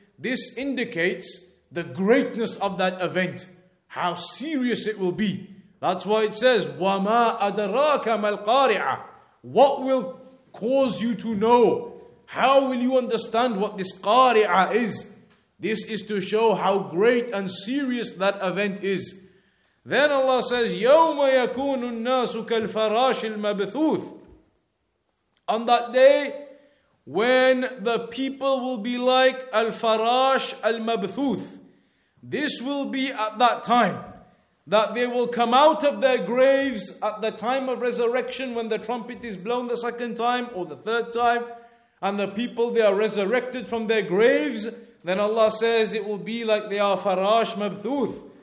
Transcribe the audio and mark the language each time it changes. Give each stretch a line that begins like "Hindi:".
English: This indicates the greatness of that event, how serious it will be. That's why it says, Wama Adraka Mal-Qari'ah. What will cause you to know? How will you understand what this qari'ah is? This is to show how great and serious that event is. Then Allah says,
Arabic: يَوْمَ يَكُونُ النَّاسُ كَالْفَرَاشِ الْمَبْثُوثِ.
English: On that day, when the people will be like al-farash al-mabthuth. This will be at that time, that they will come out of their graves at the time of resurrection, when the trumpet is blown the second time or the third time, and the people, they are resurrected from their graves, then Allah says it will be like they are farash mabthuth.